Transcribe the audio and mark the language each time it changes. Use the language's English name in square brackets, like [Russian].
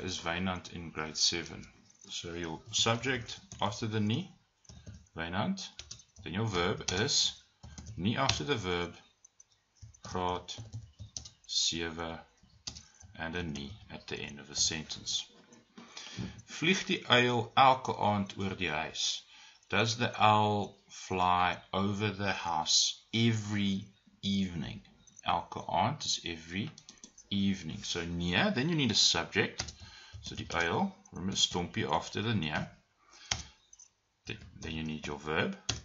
[English] Is Wynand in grade 7? So your subject after the nie, Wynand. Then your verb is nie after the verb, graad 7, and a nie at the end of the sentence. [Afrikaans] Vlieg die uil elke aand oor die huis? [English] Does the owl fly over the house every evening? [Afrikaans] Elke aand [English] is every evening. So nie, then you need a subject. So [Afrikaans] die uil, [English] remember stompie after the nie. Then you need your verb.